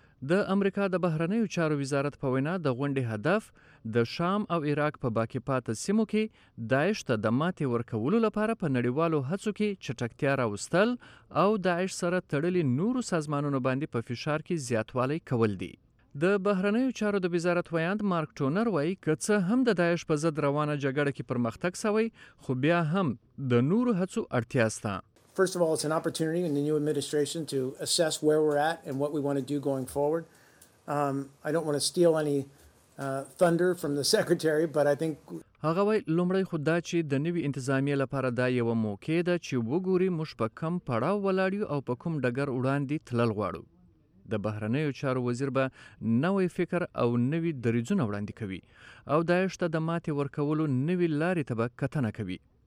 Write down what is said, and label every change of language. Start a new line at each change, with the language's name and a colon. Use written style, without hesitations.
Pashto: د امریکا د بهرنیو چارو وزارت په وینا د غونډې هدف د شام او عراق په باقی پاتې سیمو کې داعش ته د ماتې ورکولو لپاره په نړیوالو هڅو کې چټکتیا راوستل او داعش سره تړلي نورو سازمانونو باندې په فشار کې زیاتوالی کول دي. د بهرنیو چارو د وزارت ویاند مارک ټونر وایي که څه هم د داعش په ضد روانه جګړه کې پرمختګ سوی، خو بیا هم د نورو هڅو اړتیا شته.
English: First of all, it's an opportunity in the new administration to assess where we're at and what we want to do going forward. I don't want to steal any thunder from the secretary, but I think
Pashto: هغوی لومړی خود دا چې د نوې انتظامی لپاره دا یو موقع ده چې وګوري مش په کم پړاو ولاړیو او په کوم ډګر وړاندې تلل غواړو. د بهرنیو چارو وزیر به نوې فکر او نوې دریځونه وړاندې کوي او داعش ته د ماتې ورکولو نوې لارې ته به کتنه کوي.